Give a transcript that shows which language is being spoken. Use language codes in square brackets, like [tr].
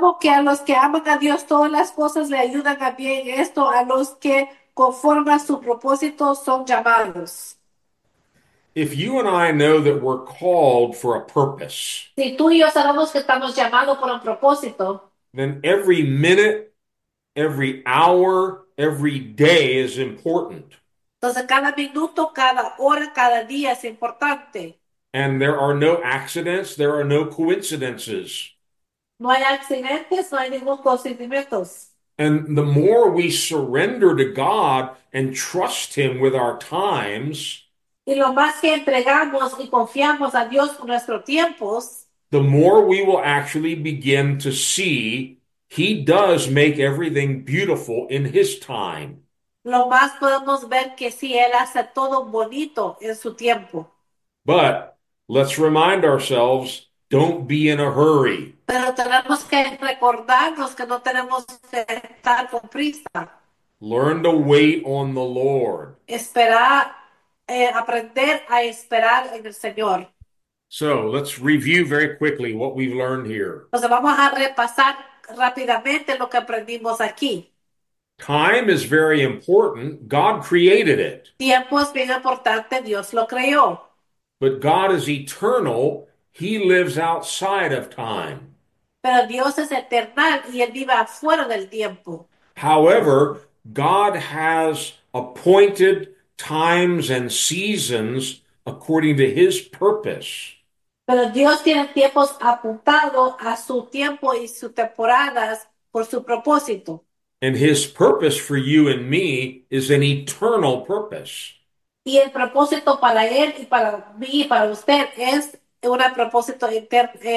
[es] a los que aman a Dios todas las cosas le ayudan a bien. Esto a los que conforme a su propósito son llamados. [en] If you and I know that we're called for a purpose, [es] Si tú y yo sabemos que estamos llamados por un propósito, [en] then every minute, every hour, every day is important. [es] entonces cada minuto, cada hora, cada día es importante. [en] And there are no accidents, there are no coincidences. [es] No hay accidentes, no hay ningún consentimientos. [en] And the more we surrender to God and trust Him with our times, [es] Y lo más que entregamos y confiamos a Dios con nuestros tiempos, [en] the more we will actually begin to see, he does make everything beautiful in his time. [es] lo más podemos ver que sí, Él hace todo bonito en su tiempo. [en] But let's remind ourselves, don't be in a hurry. [es] Pero tenemos que recordarnos que no tenemos que estar con prisa. [en] Learn to wait on the Lord. [es] Esperar, aprender a esperar en el Señor. [en] So let's review very quickly what we've learned here. [es] Entonces vamos a repasar rápidamente lo que aprendimos aquí. [en] Time is very important. God created it. [es] Tiempo es bien importante, Dios lo creó. [en] But God is eternal. He lives outside of time. [es] Pero Dios es eterno y Él vive afuera del tiempo. [en] However, God has appointed times and seasons according to his purpose. [es] Pero Dios tiene tiempos apuntados a su tiempo y sus temporadas por su propósito. [en] And his purpose for you and me is an eternal purpose. [es] Y el propósito para Él y para mí y para usted es un propósito eterno.